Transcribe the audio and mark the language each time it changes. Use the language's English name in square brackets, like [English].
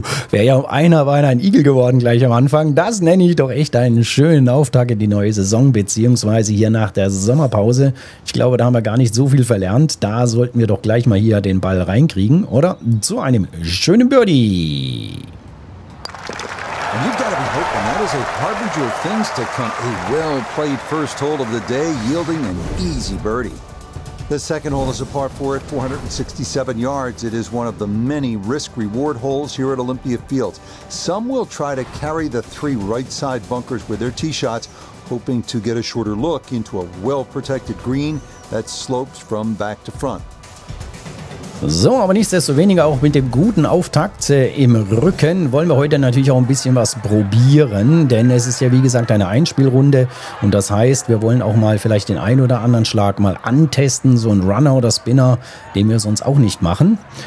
[German] Wäre ja einer beinahe ein Igel geworden gleich am Anfang. Das nenne ich doch echt einen schönen Auftakt in die neue Saison, beziehungsweise hier nach der Sommerpause. Ich glaube, da haben wir gar nicht so viel verlernt. Da sollten wir doch gleich mal hier den Ball reinkriegen, oder? Zu einem schönen Birdie. [English] And you've got to be hoping that is a harbinger of things to come. A well-played first hole of the day, yielding an easy birdie. The second hole is a par 4 at 467 yards. It is one of the many risk-reward holes here at Olympia Fields. Some will try to carry the three right-side bunkers with their tee shots, hoping to get a shorter look into a well-protected green that slopes from back to front. [German] So, aber nichtsdestoweniger auch mit dem guten Auftakt im Rücken wollen wir heute natürlich auch ein bisschen was probieren, denn es ist ja wie gesagt eine Einspielrunde und das heißt, wir wollen auch mal vielleicht den ein oder anderen Schlag mal antesten, so ein Runner oder Spinner, den wir sonst auch nicht machen.